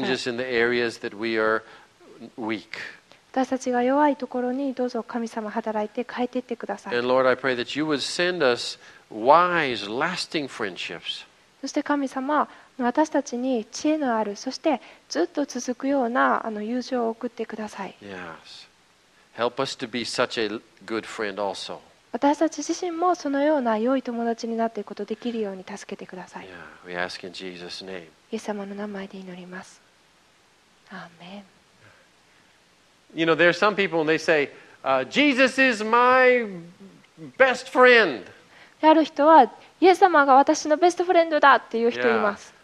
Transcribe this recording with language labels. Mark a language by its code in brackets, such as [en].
[en] Changes in the areas that we are weak. [ja] 私たちが弱いところにどうぞ神様働いて変えていってください。 [en] And Lord, I pray that you would send us wise, lasting friendships. [ja] そして神様、私たちに知恵のある、そしてずっと続くような友情を送ってください。 [en] Yes. Help us to be such a good friend also. [ja] 私たち自身もそのような良い友達になっていくことができるように助けてください。 [en] Yeah. We ask in Jesus' name. [ja] イエス様の名前で祈ります。アーメン。 [en] You know, there are some people and they say, Jesus is my best friend. [ja] ある人は、イエス様が私のベストフレンドだっていう人います。